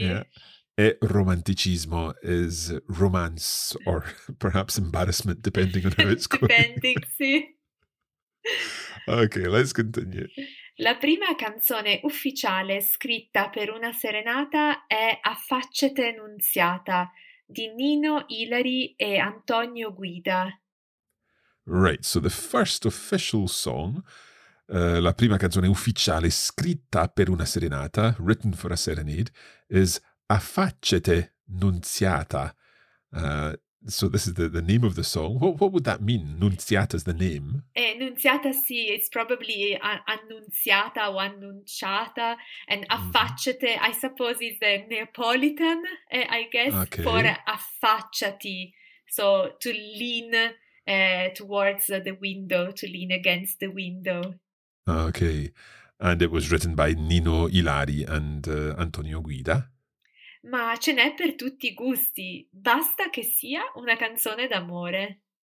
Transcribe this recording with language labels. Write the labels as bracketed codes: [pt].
[en] Yeah, [it] è romanticismo, [en] is romance, or perhaps embarrassment, depending on how it's going. Depending, sì. Ok, let's continue. [it] La prima canzone ufficiale scritta per una serenata è Affaccete Nunziata, di Nino Ilari e Antonio Guida. [en] Right, so the first official song, [it] la prima canzone ufficiale scritta per una serenata, [en] written for a serenade, is Affacciate Nunziata. So this is the name of the song. What would that mean? Nunziata is the name. Nunziata, sì, it's probably annunziata o annunciata. And affacciate, I suppose, is the Neapolitan, I guess, okay, for affacciati. So to lean towards the window, to lean against the window. Okay. And it was written by Nino Ilari and Antonio Guida. [it] Ma ce n'è per tutti i gusti, basta che sia una canzone d'amore.